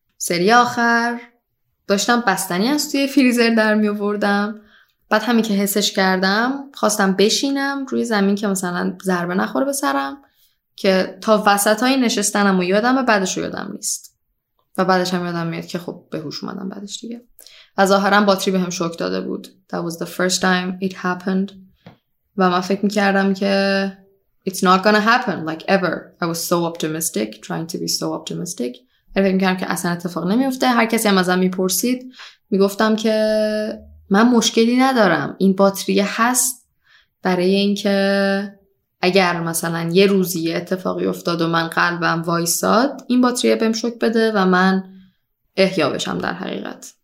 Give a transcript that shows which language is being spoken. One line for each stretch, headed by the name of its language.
Persian: سری آخر داشتم بستنی از توی فریزر در می آوردم، بعد همین که حسش کردم خواستم بشینم روی زمین که مثلا ضربه نخوره به سرم، که تا وسط های نشستنم و یادم، بعدش رو یادم نیست و بعدش هم یادم میاد که خب به هوش اومدم بعدش دیگه. و ظاهرم باتری به هم شوک داده بود.
English: That was the first time it happened.
Persian: و من فکر میکردم که
English: It's not gonna happen like ever. I was so optimistic, trying to be so optimistic.
Persian: فکر میکردم که اصلا اتفاق نمیفته. هر کسی هم ازم میپرسید، میگفتم که من مشکلی ندارم، این باتری هست برای اینکه اگر مثلا یه روزی اتفاقی افتاد و من قلبم وایساد، این باتری بهم شوک بده و من احیا بشم در حقیقت.